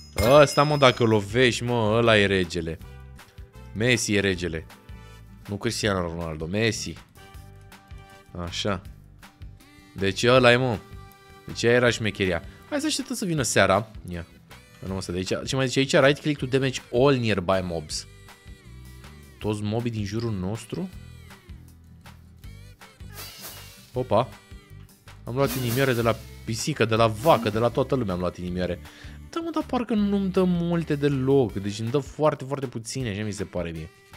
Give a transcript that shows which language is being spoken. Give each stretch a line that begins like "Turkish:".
Romanian: Ăsta, mă, dacă lovești, mă, ăla e regele. Messi e regele. Nu Cristiano Ronaldo, Messi. Așa. Deci ăla e, mă. Deci aia era șmecheria. Hai să așteptăm să vină seara. Ia. În ăsta de aici. Ce mai zice aici?
English: Right click to damage all nearby mobs.
Romanian: Toți mobii din jurul nostru? Opa. Am luat inimioare de la pisică, de la vacă, de la toată lumea am luat inimioare. Da, mă, dar parcă nu-mi dă multe deloc. Deci îmi dă foarte, foarte puține, așa mi se pare mie.